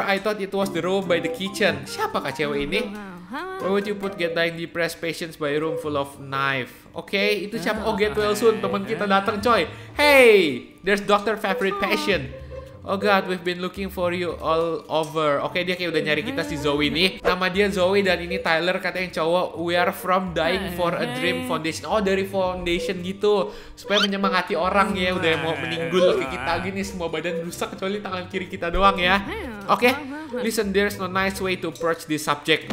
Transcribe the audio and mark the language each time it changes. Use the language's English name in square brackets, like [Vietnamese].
[English] I thought it was the room by the kitchen. [Indonesian] Siapakah cewek ini? [English] Why would you put get dying depressed patients by a room full of knife? Okay, [Indonesian] itu siapa? [English] Oh, get well soon. [Indonesian] Teman kita datang, coy. [English] Hey, there's Dr. Favorite Patient. Oh god, we've been looking for you all over. [Indonesian] Oke, okay, dia kayak udah nyari kita, si Zoe nih. Nama dia Zoe dan ini Tyler, katanya yang cowok. [English] We are from Dying for a Dream Foundation. [Indonesian] Oh, dari foundation gitu. Supaya menyemangati orang ya, udah mau meninggal ke kita gini. Semua badan rusak kecuali tangan kiri kita doang ya. Oke, okay. [English] Listen, there's no nice way to approach this subject.